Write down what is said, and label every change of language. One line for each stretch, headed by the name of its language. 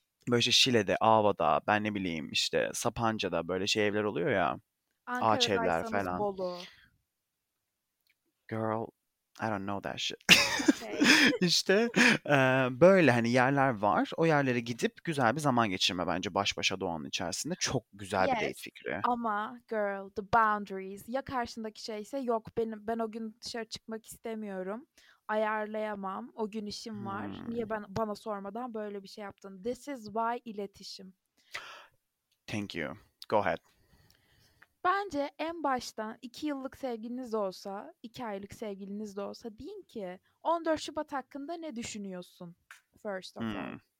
Turkish: Böyle işte Şile'de, Ava'da, ben ne bileyim işte Sapanca'da böyle şey evler oluyor ya. Ağaç evler falan. Bolu.
English: Girl, I don't know that Okay. shit.
Turkish: İşte böyle hani yerler var. O yerlere gidip güzel bir zaman geçirme bence baş başa doğanın içerisinde. Çok güzel bir date
English: Yes.
Turkish: fikri.
English: Ama girl, the boundaries.
Turkish: Ya karşındaki şeyse yok ben o gün dışarı çıkmak istemiyorum. Ayarlayamam. O gün işim var. Niye bana sormadan böyle bir şey yaptın?
English: This is why iletişim. Thank you.
Turkish: Bence en baştan 2 yıllık sevgiliniz de olsa, 2 aylık sevgiliniz de olsa deyin ki 14 Şubat hakkında ne düşünüyorsun?
English: First of all.